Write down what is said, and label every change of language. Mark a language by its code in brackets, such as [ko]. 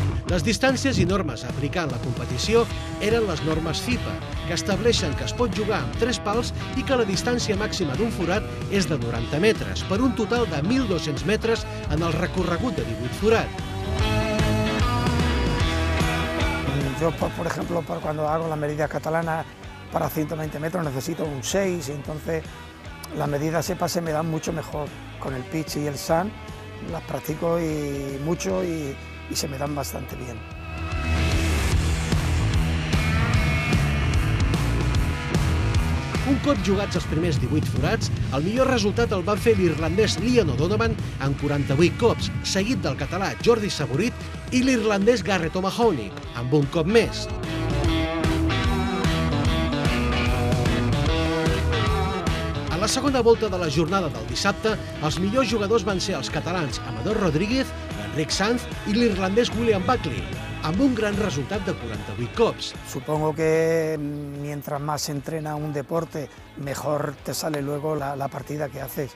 [ca] Les distàncies i normes a aplicar en la competició eren les normes FIFA, que estableixen que es pot jugar amb 3 pals i que la distància màxima d'un forat és de 90 metres, per un total de 1.200 metres en el recorregut de 18 forats. [es] Yo, por ejemplo, cuando hago la medida catalana para 120 metros necesito un 6, entonces las medidas SEPA se me dan mucho mejor con el pitch y el sand, las practico y mucho y se me dan bastante bien. [ca] Un cop jugats els primers 18 forats, el millor resultat el va fer l'irlandès Liam O'Donovan en 48 cops, seguit del català Jordi Saborit i l'irlandès Garrett O'Mahony, amb un cop més. A la segona volta de la jornada del dissabte, els millors jugadors van ser els catalans Amador Rodríguez, Enric Sanz i l'irlandès William Buckley, amb un gran resultat de 48 cops. [es] Supongo que mientras más entrena un deporte, mejor te sale luego la partida que haces.